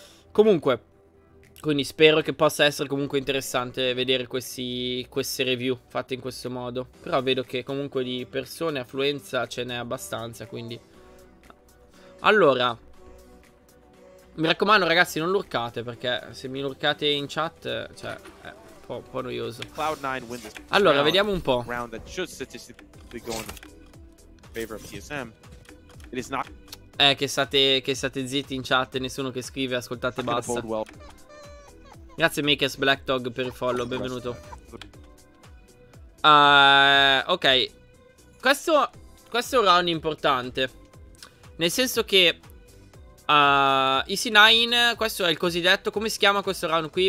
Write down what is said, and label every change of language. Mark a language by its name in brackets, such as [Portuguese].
[Italian] Comunque, quindi spero che possa essere comunque interessante vedere queste review fatte in questo modo. Però vedo che comunque di persone, affluenza ce n'è abbastanza, quindi... Allora, mi raccomando ragazzi, non lurkate, perché se mi lurkate in chat, cioè, può po' noioso. [English] Cloud9 win this. [Italian] Allora, round, vediamo un po'. [English] Round that should statistically go in favor of TSM. It is not. [Italian] Che state zitti in chat, nessuno che scrive, ascoltate, basta. [English] Well. [Italian] Grazie Makers Black Dog per il follow, benvenuto. Ok. Questo è un round importante. Nel senso che EC9, questo è il cosiddetto, come si chiama questo round qui?